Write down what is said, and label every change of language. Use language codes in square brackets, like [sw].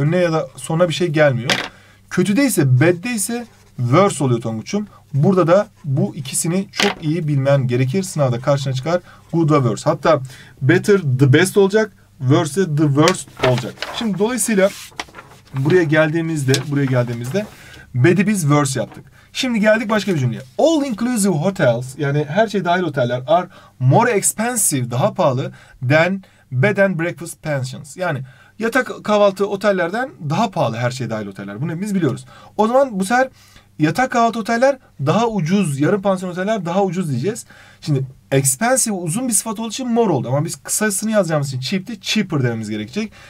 [tr] Önüne ya da sonuna bir şey gelmiyor. Kötüde ise bad'de ise worse oluyor Tonguç'um. Burada da bu ikisini çok iyi bilmen gerekir. Sınavda karşına çıkar good ve worse. Hatta better the best olacak, worse the worst olacak. Şimdi dolayısıyla buraya geldiğimizde bad'i biz worse yaptık. Şimdi geldik başka bir cümleye. [en] All inclusive hotels [tr] yani her şey dahil oteller [en] are more expensive, [tr] daha pahalı [en] than bed and breakfast pensions. [tr] Yani yatak kahvaltı otellerden daha pahalı her şey dahil oteller. Bunu hepimiz biliyoruz. O zaman bu sefer yatak kahvaltı oteller daha ucuz, yarım pansiyon oteller daha ucuz diyeceğiz. Şimdi expensive uzun bir sıfat olduğu için more oldu. Ama biz kısasını yazacağımız için cheap'ti, cheaper dememiz gerekecek.